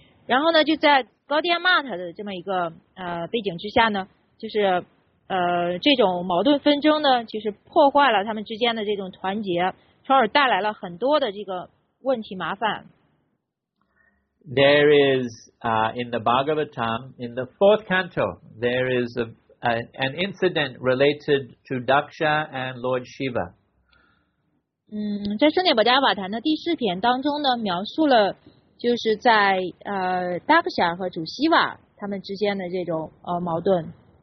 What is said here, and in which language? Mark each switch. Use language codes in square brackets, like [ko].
[zh] 然后呢，就在 Gaudiya Math 的这么一个背景之下呢，就是这种矛盾纷争呢，其实破坏了他们之间的这种团结，从而带来了很多的这个问题麻烦。 [en] There is in the Bhagavatam, in the fourth canto, there is an incident related to Daksha and Lord Shiva. [zh] 在圣涅百家瓦坛的第四篇当中呢，描述了就是在Daksha 和主希瓦他们之间的这种矛盾。